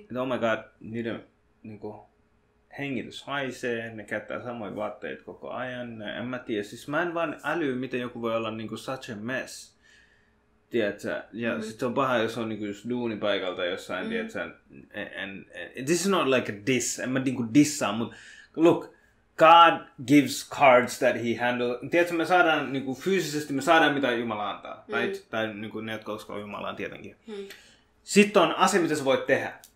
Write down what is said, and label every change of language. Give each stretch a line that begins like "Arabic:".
Finnish: Että
English: oh my god,
Finnish: niiden niin kuin, hengitys haisee, ne käyttää samoja vaatteita koko ajan, en mä tiedä. Siis mä en vaan äly, miten joku voi olla niin kuin,
English: such a mess,
Finnish: tiedätkö? Ja sit on paha, jos on niin kuin, just duunipaikalta jossain, tiedätkö?
English: And this is not like a diss,
Finnish: en mä niin kuin dissaa, mutta look,
English: God gives cards that he handles.
Finnish: Tiedätkö, me saadaan niinku fyysisesti, me saadaan mitä Jumala antaa. Mm. Right? Tai niinku ne, jotka uskoo Jumalaan tietenkin. Mm. Sitten on asia, mitä sä voit tehdä.